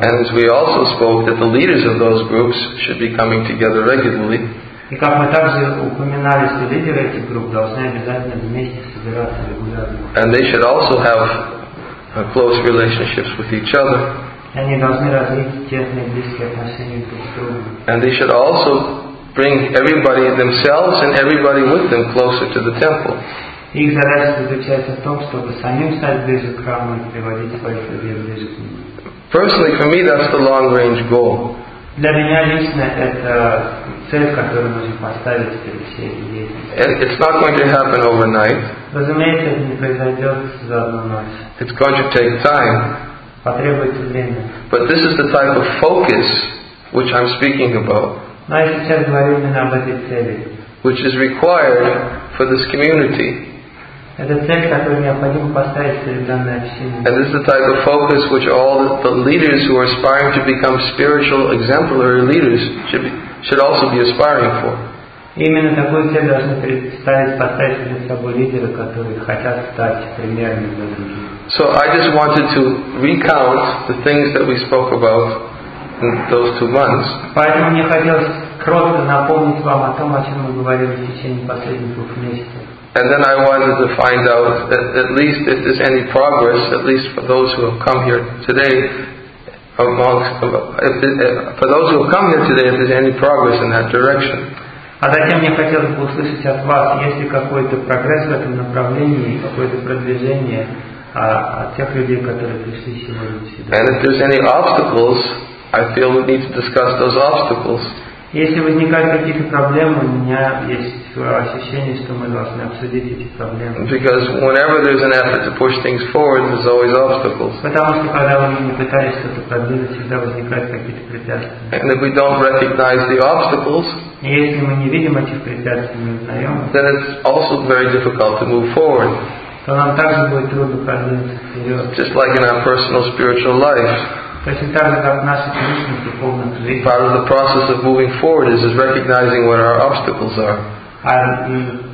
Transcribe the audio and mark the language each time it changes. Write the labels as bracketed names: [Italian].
[English] And we also spoke that the leaders of those groups should be coming together regularly. [Russian] И как мы также упоминали, что лидеры этих групп должны обязательно вместе собираться регулярно. [English] And they should also have close relationships with each other. [Russian] И они должны развить тесные близкие отношения друг с другом. [English] And they should also bring everybody themselves and everybody with them closer to the temple. [Russian] Их задача заключается в том, чтобы самим стать ближе к храму и приводить своих людей ближе к нему. [English] Personally, for me, that's the long-range goal. [Russian] Для меня лично это цель, которую нужно поставить перед всей деятельностью. [English] It's not going to happen overnight. [Russian] Разумеется, это не произойдет за одну ночь. [English] It's going to take time. [Russian] Потребуется время. [English] But this is the type of focus which I'm speaking about. [Russian] Но я сейчас говорю именно об этой цели. [English] Which is required for this community. [Russian] Это цель, которую необходимо поставить перед данной общиной. [English] And this is the type of focus which all the leaders who are aspiring to become spiritual exemplary leaders should also be aspiring for. [Russian] Именно такую цель должны поставить перед собой лидеры, которые хотят стать примерами для других. [English] So I just wanted to recount the things that we spoke about in those 2 months. [Russian] Поэтому мне хотелось кратко напомнить вам о том, о чем мы говорили в течение последних 2 месяцев. [English] And then I wanted to find out that at least if there's any progress, at least for those who have come here today, if there's any progress in that direction. [Russian] А затем мне хотелось бы услышать от вас, есть ли какой-то прогресс в этом направлении, какое-то продвижение от тех людей, которые пришли сегодня сюда. [English] And if there's any obstacles, I feel we need to discuss those obstacles. [Russian] Если возникают какие-то проблемы, у меня есть ощущение, что мы должны обсудить эти проблемы. [English] Because whenever there's an effort to push things forward, there's always obstacles. [Russian] Потому что когда мы не пытались что-то продвинуть, всегда возникают какие-то препятствия. [English] And if we don't recognize the obstacles, [Russian] если мы не видим этих препятствий, не узнаем, [English] then it's also very difficult to move forward. [Russian] То нам также будет трудно продвинуться вперед. [English] Just like in our personal spiritual life. Part of the process of moving forward is recognizing what our obstacles are.